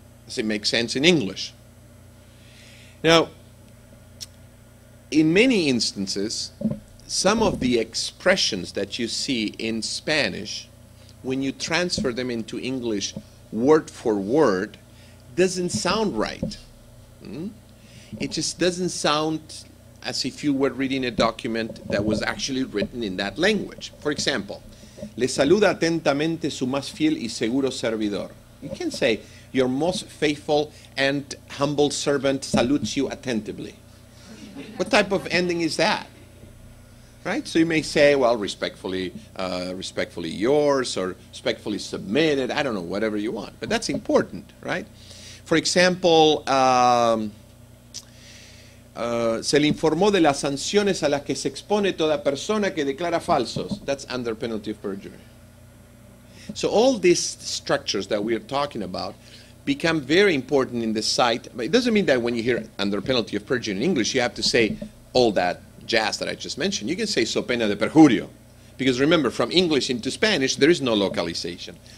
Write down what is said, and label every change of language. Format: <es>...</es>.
<en>Does it make sense in English? Now, in many instances, some of the expressions that you see in Spanish, when you transfer them into English word for word, doesn't sound right. It just doesn't sound as if you were reading a document that was actually written in that language. For example,</en> <es>le saluda atentamente su más fiel y seguro servidor.</es> <en>You can say, your most faithful and humble servant salutes you attentively. What type of ending is that? Right? So you may say, well, respectfully yours, or respectfully submitted, I don't know, whatever you want. But that's important, right? For example,</en> <es>se le informó de las sanciones a las que se expone toda persona que declara falsos.</es> <en>That's under penalty of perjury. So all these structures that we are talking about become very important in the site. But it doesn't mean that when you hear under penalty of perjury in English, you have to say all that jazz that I just mentioned. You can say</en> <es>so pena de perjurio.</es> <en>Because remember, from English into Spanish, there is no localization.</en>